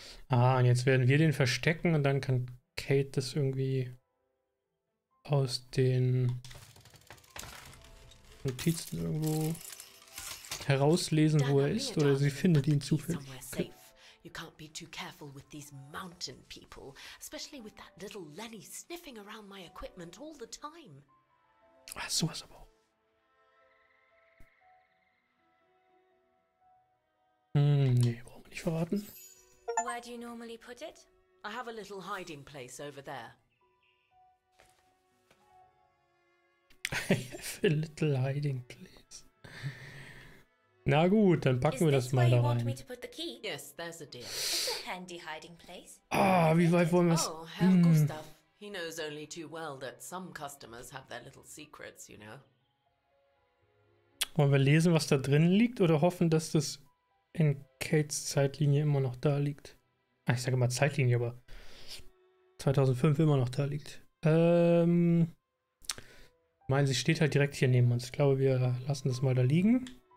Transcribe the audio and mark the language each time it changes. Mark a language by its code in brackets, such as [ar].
[de] Ah, und jetzt werden wir den verstecken und dann kann Kate das irgendwie aus den Notizen irgendwo herauslesen, wo er ist, oder sie findet ihn zufällig. [en] You can't be too careful with these mountain people, especially with that little Lenny sniffing around my equipment all the time. [de] Ach, so was aber. Nee, brauchen wir nicht verraten. [en] Where do you normally put it? I have a little hiding place over there. I have a little hiding place. [de] Na gut, dann packen wir das mal da rein. [en] Yes, there's a deal. Handy hiding place. Ah, [de] wie weit wollen wir's? [en] Oh, Herr Gustav, he knows only too well that some customers have their little secrets, you know. [de] Wollen wir lesen, was da drin liegt, oder hoffen, dass das in Kates Zeitlinie immer noch da liegt? Ah, ich sage mal Zeitlinie, aber 2005 immer noch da liegt. Ich meine, sie steht halt direkt hier neben uns. Ich glaube, wir lassen das mal da liegen.